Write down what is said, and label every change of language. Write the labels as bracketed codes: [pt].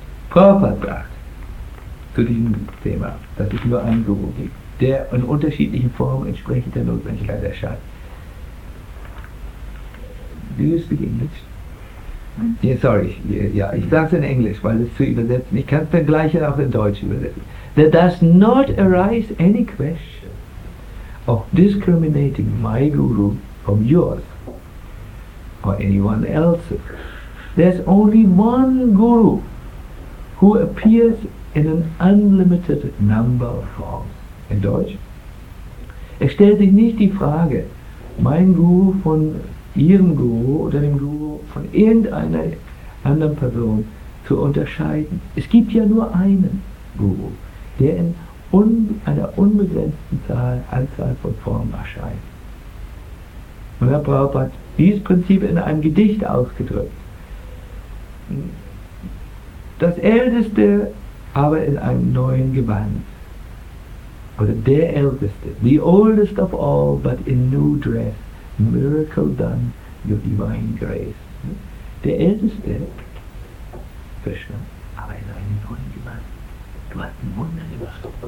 [de] Prabhupada sagt zu diesem Thema, dass es nur einen Guru gibt, der in unterschiedlichen Formen entsprechend der Notwendigkeit erscheint. [en] Do you speak English? Yeah, sorry, yeah, [de] ich sage es in Englisch, weil es zu übersetzen, ich kann es dann gleich auch in Deutsch übersetzen. [en] There does not arise any question of discriminating my guru from yours or anyone else's. There's only one guru who appears in an unlimited number of forms. [de] In Deutsch? Es stellt sich nicht die Frage, mein Guru von ihrem Guru oder dem Guru von irgendeiner anderen Person zu unterscheiden. Es gibt ja nur einen Guru, der in einer unbegrenzten Anzahl von Formen erscheint. Und Herr Prabhupada hat dieses Prinzip in einem Gedicht ausgedrückt. Das Älteste, aber in einem neuen Gewand. Oder der Älteste. [en] The oldest of all, but in new dress. Miracle done, your divine grace. [de] Der Älteste, Krishna, aber in einem neuen Gewand. Du hast ein Wunder gemacht.